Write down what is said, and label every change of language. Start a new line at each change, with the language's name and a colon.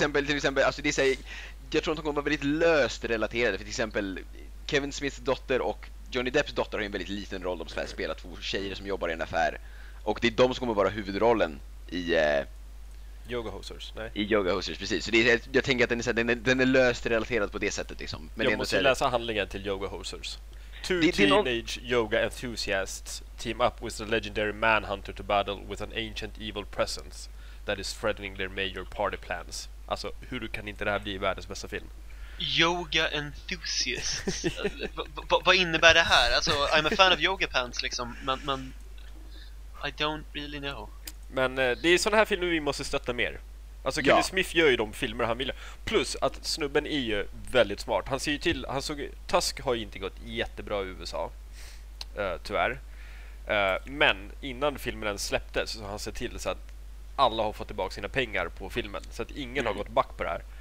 Swedish: till exempel, alltså det säger, jag tror att de kommer vara väldigt löst relaterade, för till exempel Kevin Smiths dotter och Johnny Depps dotter har en väldigt liten roll. De spelar två tjejer som jobbar i en affär, och det är de som kommer vara huvudrollen i Yoga Hosers. Nej. I Yoga Hosers, precis. Så det är, jag tänker att den är löst relaterad på det sättet liksom. Men jag måste läsa handlingen till Yoga Hosers.
English: Two teenage yoga enthusiasts team up with the legendary manhunter to battle with an ancient evil presence that is threatening their major party plans.
Swedish: Alltså, hur kan inte det här bli världens bästa film? Yoga enthusiasts. Vad innebär det här? Alltså,
English: I'm a fan of yoga pants
Swedish: liksom, men
English: I don't really know.
Swedish: Men det är sådana här filmer vi måste stötta mer. Alltså Kevin Smith gör ju de filmer han vill. Plus att snubben är ju väldigt smart. Han ser ju till, han såg, Tusk har ju inte gått jättebra i USA, tyvärr. Men innan filmen ens släpptes så han ser till så att alla har fått tillbaka sina pengar på filmen, så att ingen har gått back på det här.